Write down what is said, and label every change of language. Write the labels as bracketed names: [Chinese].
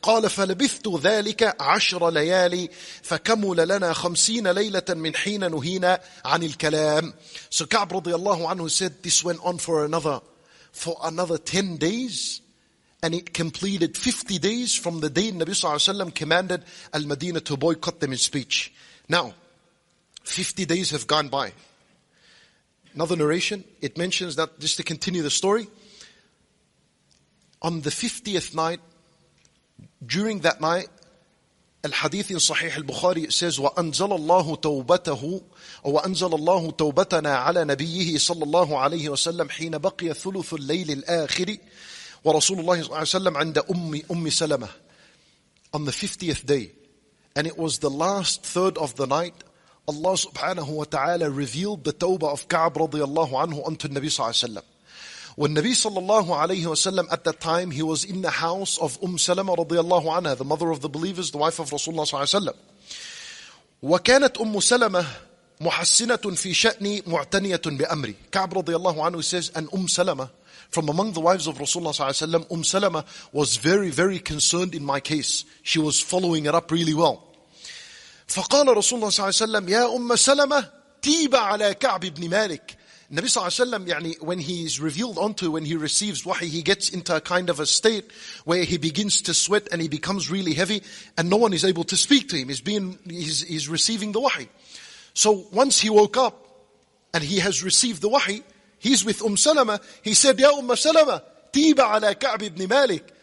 [Arabic] قَالَ فَلَبِثْتُ ذَلِكَ عَشْرَ لَيَالِي فَكَمُلَ لَنَا خَمْسِينَ لَيْلَةً مِنْ حِينَ نُهِينَ عَنِ الْكَلَامِ. [English] So Ka'ab radiallahu anhu said, this went on for another 10 days. And it completed 50 days from the day Nabi sallallahu alayhi wa sallam commanded Al-Madinah to boycott them in speech. Now, 50 days have gone by. Another narration, it mentions that, just to continue the story, on the 50th night, during that night, al-hadith in Sahih al-Bukhari, it says, [Arabic] وَأَنزَلَ اللَّهُ تَوْبَتَهُ وَأَنزَلَ اللَّهُ تَوْبَتَنَا عَلَى نَبِيِّهِ صلى الله عليه وسلم حِينَ بَقِيَ ثُلُثُ اللَّيْلِ الْآخِرِ وَرَسُولُ اللَّهِ صلى الله عليه وسلم عند أُمِّ سَلَمَةِ. [English] On the 50th day, and it was the last third of the night, Allah subhanahu wa ta'ala revealed the tawbah of Ka'ab radiallahu anhu unto Nabi sallallahu alayhi wa sallam. When Nabi sallallahu alayhi wa sallam, at that time, he was in the house of Salama radiallahu anha, the mother of the believers, the wife of Rasulullah sallallahu alayhi wa sallam. [Arabic] Wa Salama muhassinatun fi sha'ni mu'taniyatun bi amri. [English] Ka'ab radiallahu anhu says, and Salama, from among the wives of Rasulullah sallallahu alayhi wa sallam, Salama was very, very concerned in my case. She was following it up really well. [Arabic] فقال رسول الله صلى الله عليه وسلم يا أم سلمة تيب على كعب بن مالك. النبي صلى الله عليه وسلم, يعني, [English] when he is revealed onto, when he receives wahi, he gets into a kind of a state where he begins to sweat and he becomes really heavy and no one is able to speak to him. He's receiving the wahi. So once he woke up and he has received the wahi, he's with Salama, he said, [Arabic] يا أم سلمة تيب على كعب بن مالك.